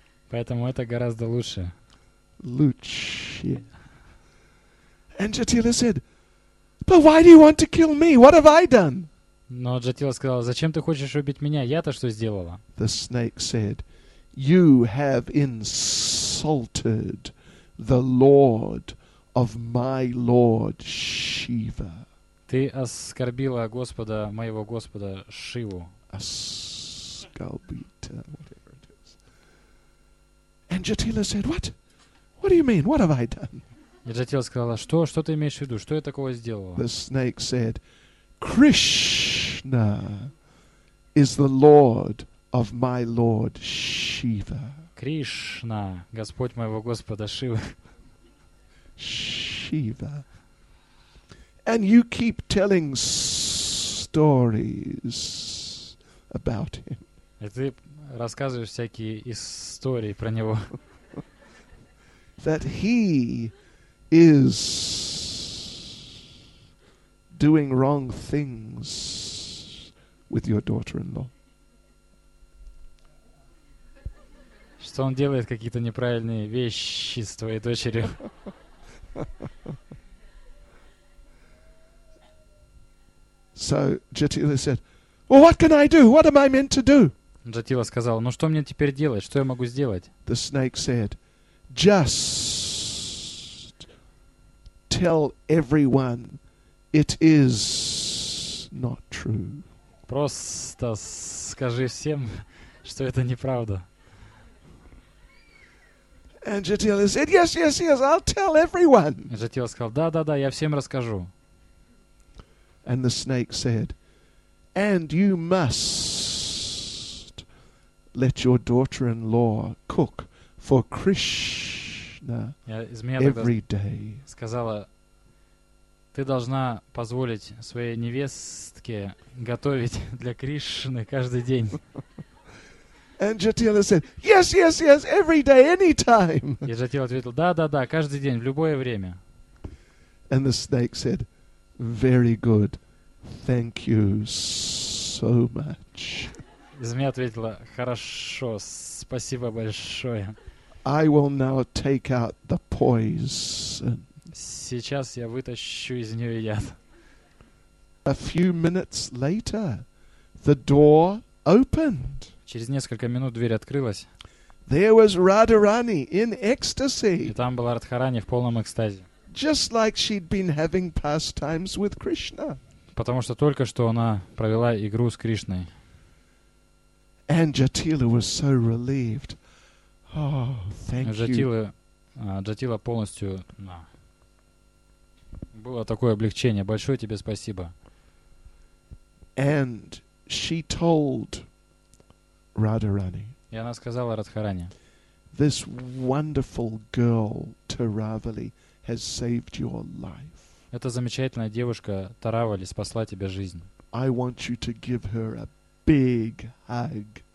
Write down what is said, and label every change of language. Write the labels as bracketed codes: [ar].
[ru] Поэтому это гораздо лучше. Лучше. [en] And Jatila said, "But why do you want to kill me? What have I done?" [ru] Но Джатила сказала: "Зачем ты хочешь убить меня? Я-то что сделала?" [en] The snake said, "You have insulted the Lord of my Lord Shiva." [ru] Ты оскорбила Господа моего Господа Шиву. [en] Оскорбита, whatever it is. And Jatila said, "What? What do you mean? What have I done?" [ru] И Джатила сказала: "Что? Что ты имеешь в виду? Что я такого сделала?" [en] The snake said, "Krishna is the Lord of my Lord Shiva." [ru] Кришна, Господь моего Господа Шивы. [en] Shiva. And you keep telling stories about him. [ru] И ты рассказываешь всякие истории про него. [en] That he is doing wrong things with your daughter-in-law. [ru] Что он делает какие-то неправильные вещи с твоей дочерью. [en] So Jatila said, "Well, what can I do? What am I meant to do?" [ru] Jatila сказала: "Ну что мне теперь делать? Что я могу сделать?" [en] The snake said, "Just tell everyone it is not true." [ru] Просто скажи всем, что это неправда. [en] And Jatila said, "Yes, yes, yes, I'll tell everyone." [ru] Jatila сказал: "Да, да, да, я всем расскажу." [en] And the snake said, "And you must let your daughter-in-law cook for Krishna every day." [ru] Сказала: "Ты должна позволить своей невестке готовить для Кришны каждый день." [en] And Jatila said, "Yes, yes, yes, every day, anytime." [ru] И Джатила ответил: "Да, да, да, каждый день, в любое время." [en] And the snake said, "Very good, thank you so much." [ru] И змея ответила: "Хорошо, спасибо большое." [en] "I will now take out the poison." [ru] Сейчас я вытащу из нее яд. [en] A few minutes later, the door opened. [ru] Через несколько минут дверь открылась. [en] There was Radharani in ecstasy. [ru] И там была Радхарани в полном экстазе. [en] Just like she'd been having pastimes with Krishna. [ru] Потому что только что она провела игру с Кришной. [en] And Jatila was so relieved. Oh, thank you. [ru] Jatila Джатила полностью на. Было такое облегчение. Большое тебе спасибо. [en] And she told Radharani. [ru] И она сказала Радхарани. [en] This wonderful girl Таравали has saved your life. [ru] Эта замечательная девушка Таравали спасла тебе жизнь. [en] I want you to give her a big hug.